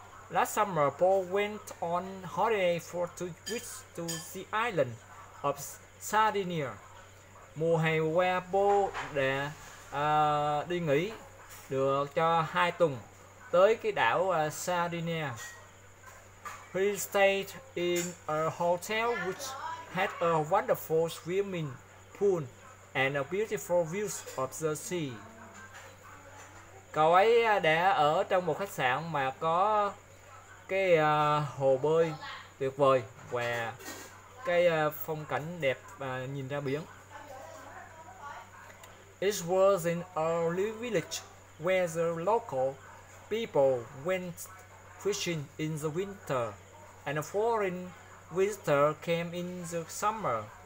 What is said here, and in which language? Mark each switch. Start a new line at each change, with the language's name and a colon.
English: Last summer, Paul went on holiday for 2 weeks to the island of Sardinia.
Vietnamese: Mùa hè qua Bo đã đi nghỉ được cho 2 tuần tới cái đảo Sardinia.
English: He stayed in a hotel which had a wonderful swimming pool and a beautiful view of the sea.
Vietnamese: Cậu ấy đã ở trong một khách sạn mà có cái hồ bơi tuyệt vời và cái phong cảnh đẹp nhìn ra biển.
English: It was in a little village where the local people went fishing in the winter and a foreign visitor came in the summer.